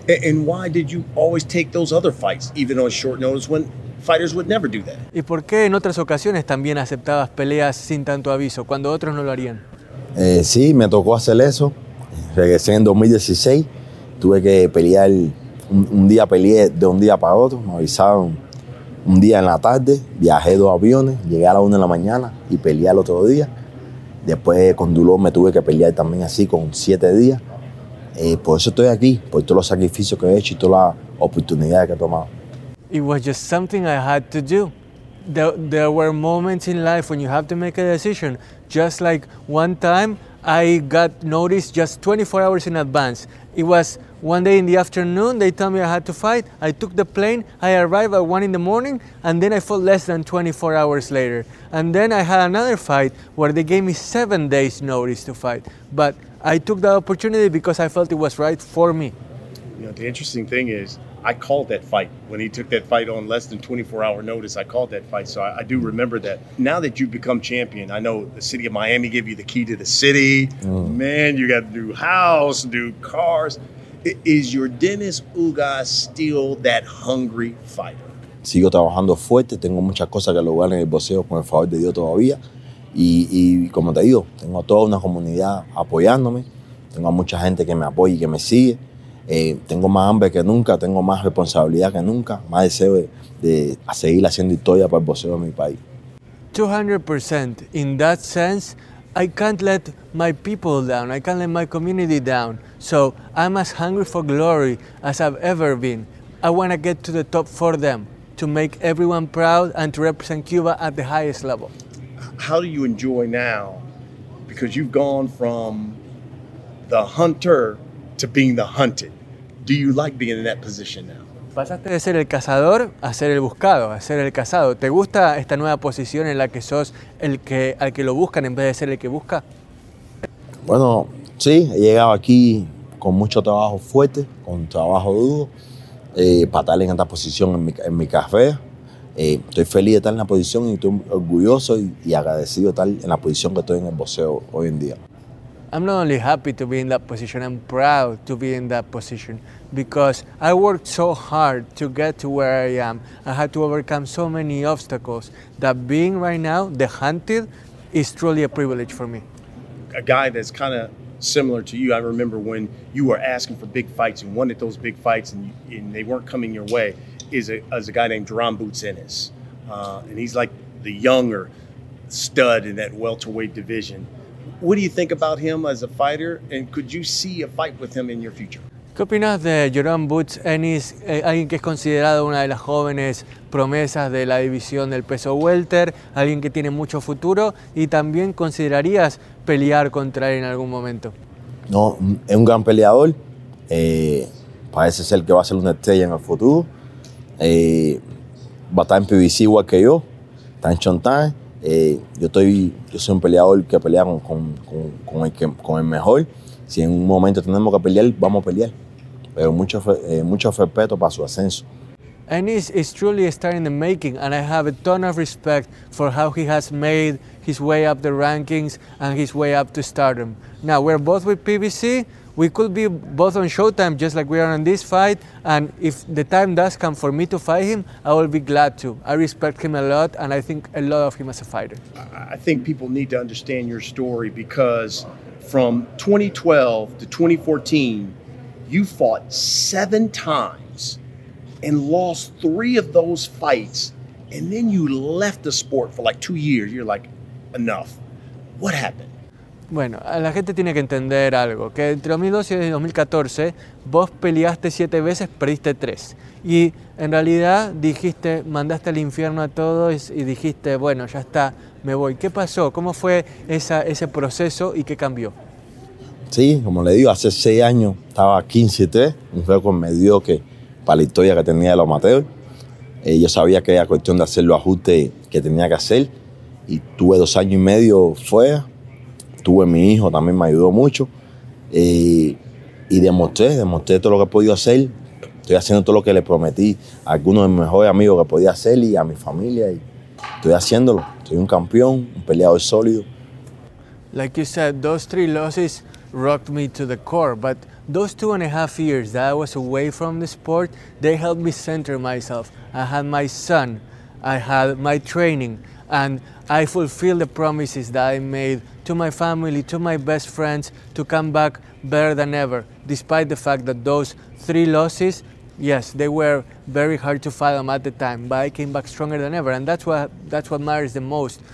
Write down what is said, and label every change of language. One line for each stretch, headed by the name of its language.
English: And why did you always take those other fights, even on short notice, when fighters would never do that?
Spanish: ¿Y por qué en otras ocasiones también aceptabas peleas sin tanto aviso, cuando otros no lo harían? Sí, me tocó hacer eso. Regresé en 2016, tuve que pelear, un día peleé de un día para otro, me avisaron un día en la tarde, viajé dos aviones, llegué a la 1 a.m. y peleé al otro día. Después con Dulo me tuve que pelear también así con 7 días. Por eso estoy aquí, por todos los sacrificios que he hecho y todas las oportunidades que he tomado.
English: It was just something I had to do. There were moments in life when you have to make a decision, just like one time I got noticed just 24 hours in advance. It was one day in the afternoon, they told me I had to fight. I took the plane, I arrived at 1 a.m, and then I fought less than 24 hours later. And then I had another fight where they gave me 7 days notice to fight. But I took that opportunity because I felt it was right for me. You know, the interesting thing is, I called that fight. When he took that fight on less than 24 hour notice, I called that fight. So I do remember that. Now that you've become champion, I know the city of Miami gave you the key to the city. Mm. Man, you got a new house, new cars. Is your Dennis Ugas still that hungry fighter?
Spanish: Sigo trabajando fuerte. Tengo muchas cosas que lograr en el boxeo con el favor de Dios todavía. Y como te digo, tengo toda una comunidad apoyándome. Tengo mucha gente que me apoya y que me sigue. Tengo más hambre que nunca, tengo más responsabilidad que nunca, más deseo de seguir haciendo historia para el boxeo de mi país. 200%.
English: In that sense, I can't let my people down, I can't let my community down. So I'm as hungry for glory as I've ever been. I want to get to the top for them, to make everyone proud and to represent Cuba at the highest level. How do you enjoy now? Because you've gone from the hunter to being the hunted. Do you like being in that position now?
Spanish: Pasaste de ser el cazador a ser el buscado, a ser el cazado. ¿Te gusta esta nueva posición en la que sos el que al que lo buscan en vez de ser el que busca? Bueno, sí, he llegado aquí con mucho trabajo fuerte, con trabajo duro, para estar en esta posición en mi café. Estoy feliz de estar en la posición y estoy orgulloso y agradecido de estar en la posición que estoy en el boxeo hoy en día.
English: I'm not only happy to be in that position, I'm proud to be in that position because I worked so hard to get to where I am. I had to overcome so many obstacles that being right now the hunted is truly a privilege for me. A guy that's kind of similar to you, I remember when you were asking for big fights and wanted those big fights and they weren't coming your way, is a guy named Jerome Boots Ennis. And he's like the younger stud in that welterweight division. What do you think about him as a fighter, and could you see a fight with him in your future?
Spanish: ¿Qué opinas de Jerome Boots Ennis, alguien que es considerado una de las jóvenes promesas de la división del peso welter, alguien que tiene mucho futuro, y también considerarías pelear contra él en algún momento? No, es un gran peleador. Parece ser que va a ser una estrella en el futuro. Va a estar en PBC igual que yo, está en Showtime. Yo soy un peleador que pelea con el mejor. Si en un momento tenemos que pelear, vamos a pelear. Pero mucho respeto para su ascenso.
English: Ennis is truly a star in the making, and I have a ton of respect for how he has made his way up the rankings and his way up to stardom. Now, we're both with PBC. We could be both on Showtime, just like we are in this fight. And if the time does come for me to fight him, I will be glad to. I respect him a lot, and I think a lot of him as a fighter. I think people need to understand your story because from 2012 to 2014, you fought 7 times and lost 3 of those fights and then you left the sport for like 2 years. You're like, enough. What happened?
Spanish: Bueno, la gente tiene que entender algo, que entre 2012 y 2014 vos peleaste 7 veces, perdiste 3. Y en realidad dijiste, mandaste al infierno a todos y dijiste, bueno, ya está, me voy. ¿Qué pasó? ¿Cómo fue ese proceso y qué cambió? Sí, como le digo, hace 6 años estaba 15-3, un récord medio que para la historia que tenía de los amateurs. Yo sabía que era cuestión de hacer los ajustes que tenía que hacer y tuve 2 años y medio fuera. Tuve mi hijo, también me ayudó mucho y demostré todo lo que he podido hacer. Estoy haciendo todo lo que le prometí a algunos de mis mejores amigos que podía hacer y a mi familia, y estoy haciéndolo. Soy un campeón, un peleador sólido.
English: Like you said, those 3 losses rocked me to the core, but those 2.5 years that I was away from the sport, they helped me center myself. I had my son, I had my training, and I fulfilled the promises that I made to my family, to my best friends, to come back better than ever, despite the fact that those 3 losses, yes, they were very hard to fathom at the time, but I came back stronger than ever, and that's what matters the most.